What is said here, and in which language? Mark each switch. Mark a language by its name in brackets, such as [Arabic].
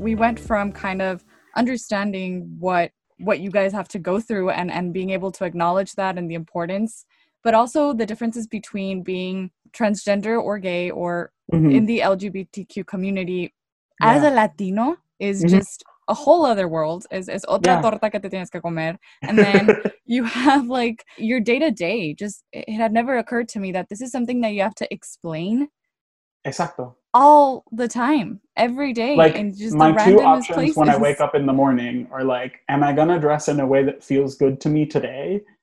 [English] We went from kind of understanding what you guys have to go through and being able to acknowledge that and the importance, but also the differences between being transgender or gay or in the LGBTQ community as a Latino is just a whole other world. [Spanish] Es otra torta que te tienes que comer. [English] And then you have like your day to day. Just it had never occurred to me that this is something that you have to explain. [Spanish] Exacto. [English] All the time, every day. Like and just my two options places. When I wake up in the morning are like, am I going to dress in a way that feels good to me today?